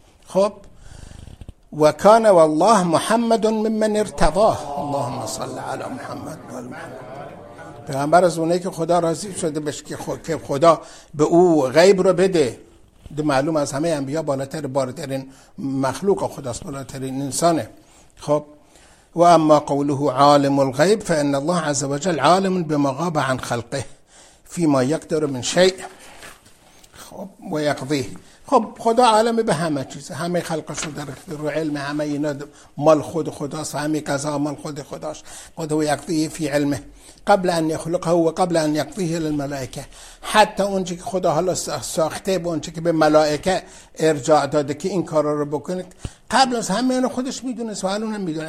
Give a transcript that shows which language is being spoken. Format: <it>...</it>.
<ar>خب و کان والله محمد ممن ارتضا، اللهم صل علی محمد و آل محمد.</ar> <fa>پیغمبر از اونه که خدا راضی شده بشه که خدا به او غیب رو بده. دو معلوم از همه انبیا بالاتر، بالاترین مخلوق خداست، بالاترین انسانه.</fa> <ar>خب و اما قوله عالم الغیب فان الله عز وجل عالم بمغاب عن خلقه فيما يقدر من شيء خب و يقضيه.</ar> <fa>خب خدا عالم به همه چیز، همه خلقش رو در اختیار و علم، همه اینا مال خود خداست، همه قضا مال خود خداست. خدا</fa> <ar>و يقضيه في علمه قبل ان يخلقه و قبل ان يقضيه للملائكه،</ar> <fa>حتى اون چیزی که خدا حالا ساخته به اون چیزی که به ملائکه ارجاع داده که این کارا رو بکنید، قبل از همه اینو خودش میدونه، سوال اونم میدونه.</fa>